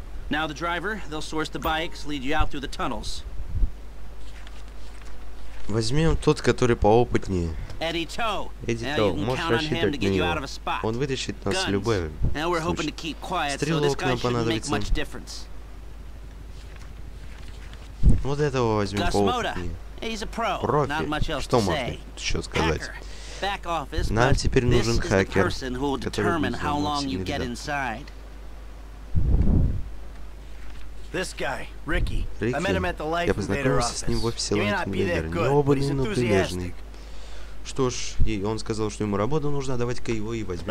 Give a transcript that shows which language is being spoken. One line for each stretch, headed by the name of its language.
English: Now the driver, they'll source the bikes, lead you out through the tunnels.
Russian: Возьмем тот, который поопытнее. Эдди Тоу. Эдди Тоу, можешь рассчитывать на него. Он вытащит нас в любой случай. Стрелок нам понадобится. Вот этого возьмем поопытнее. Профи. Что можно еще сказать? Нам теперь нужен хакер, который будет заниматься.
English: This guy, Ricky. Ricky. I met him at the Life Invader office. You may not be that good, but he's enthusiastic.
Russian: Что ж, и он сказал, что ему работа нужна, давайте-ка его и возьмем.